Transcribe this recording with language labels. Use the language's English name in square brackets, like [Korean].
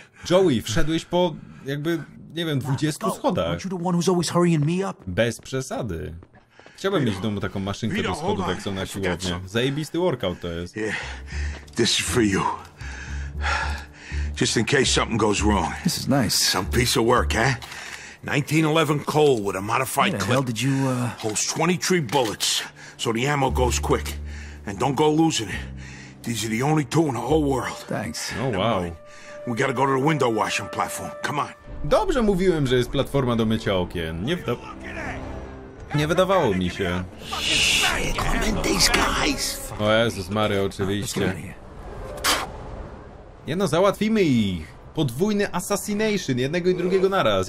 [Polish] Joey, wszedłeś po jakby, nie wiem, 20 schodach. Bez przesady. Chciałbym mieć w domu taką maszynkę do schodów, jak są na siłownię. Zajebisty workout to jest. [English] This is for you. Just in case something goes wrong. This is nice. Some piece of work, eh? 1911 Colt with a modified clip. What the hell did you, Holds 23 bullets, so the ammo goes quick. And don't go losing it. These are the only two in the whole world. Thanks. Oh, wow. We gotta go to the window washing platform. Come on. [Polish] Dobrze mówiłem, że jest platforma do mycia okien. Nie w to... Nie wydawało mi się. O Jezus Mary, oczywiście. Nie no, załatwimy ich. Podwójny assassination, jednego i drugiego naraz.